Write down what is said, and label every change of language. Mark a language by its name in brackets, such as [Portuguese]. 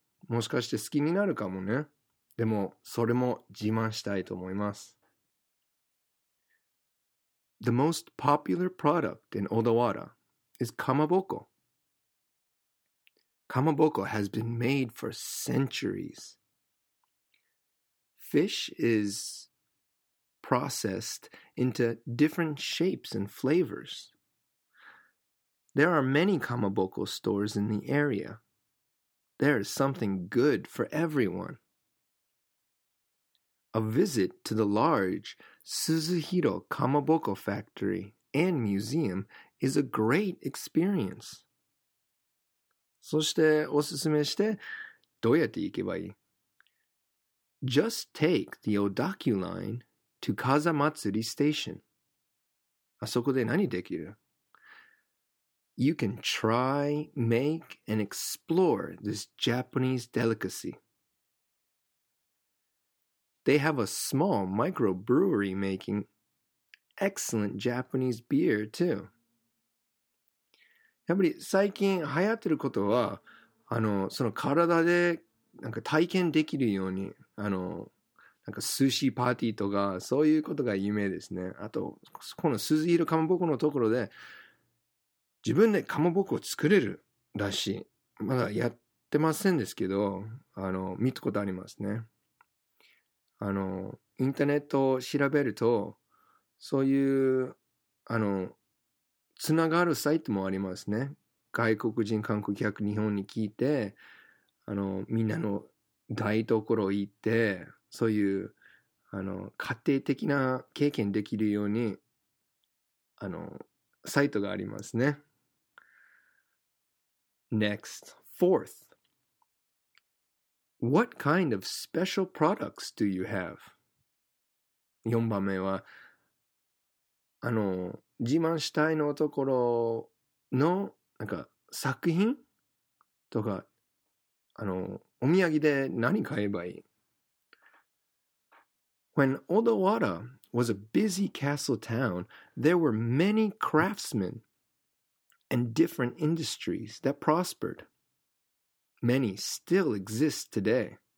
[Japanese] もしかして好きになるかもね。でも、それも自慢したいと思います。 [English] The most popular product in Odawara is kamaboko. Kamaboko has been made for centuries. Fish is processed into different shapes and flavors. There are many kamaboko stores in the area. There is something good for everyone. A visit to the large Suzuhiro Kamaboko Factory and Museum is a great experience. [Japanese] そしておすすめしてどうやって行けばいい? [English] Just take the Odakyu line to Kazamatsuri Station. [Japanese] あそこで何できる? [English] You can try, make, and explore this Japanese delicacy. They have a small microbrewery making excellent Japanese beer too. [Japanese] やっぱり最近流行ってることは、その体でなんか体験できるように、なんか寿司パーティーとかそういうことが有名ですね。あと、この鈴色かまぼこのところで自分でかまぼこを作れるらしい。まだやってませんですけど、見たことありますね。インターネットを調べると、そういう、つながるサイトもありますね。外国人観光客日本に聞いて、みんなの台所行って、そういう、家庭的な経験できるように、サイトがありますね。 [English] Next, fourth. What kind of special products do you have? [Japanese] 4番目は、自慢したいのところの、なんか、作品とか、お土産で何買えばいい? [English] When Odawara was a busy castle town, there were many craftsmen and different industries that prospered. Many still exist today.